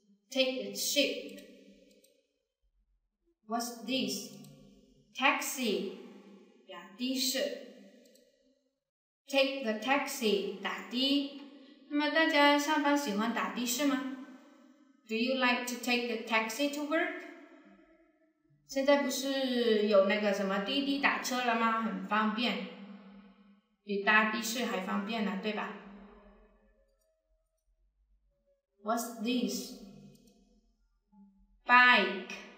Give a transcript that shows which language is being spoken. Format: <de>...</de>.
<en>Take the ship. What's this? Taxi.</en> <zh>呀，的士。</zh> <en>Take the taxi.</en> <zh>打的。那么大家上班喜欢打的士吗？</zh> <en>Do you like to take the taxi to work?</en> <zh>现在不是有那个什么滴滴打车了吗？很方便，比搭的士还方便呢，对吧？</zh> <en>What's this? Bike.</en>